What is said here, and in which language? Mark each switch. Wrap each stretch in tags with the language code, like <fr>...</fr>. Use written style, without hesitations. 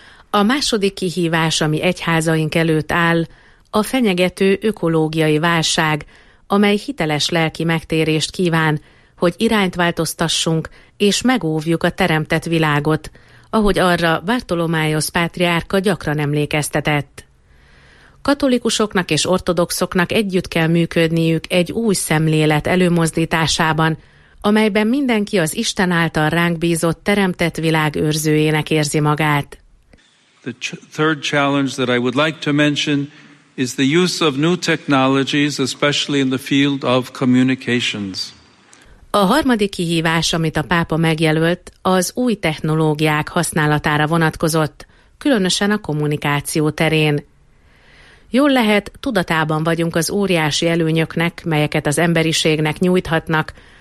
<hu>A második kihívás, ami egyházaink előtt áll, a fenyegető ökológiai válság, amely hiteles lelki megtérést kíván, hogy irányt változtassunk és megóvjuk a teremtett világot, ahogy arra Bartolomaios pátriárka gyakran emlékeztetett. Katolikusoknak és ortodoxoknak együtt kell működniük egy új szemlélet előmozdításában, amelyben mindenki az Isten által ránk bízott teremtett világ őrzőjének érzi magát.</hu> <en>The third challenge that I would like to mention is the use of new technologies, especially in the field of communications.</en> <hu>A harmadik kihívás, amit a pápa megjelölt, az új technológiák használatára vonatkozott, különösen a kommunikáció terén. Jól lehet, tudatában vagyunk az óriási előnyöknek, melyeket az emberiségnek nyújthatnak.</hu>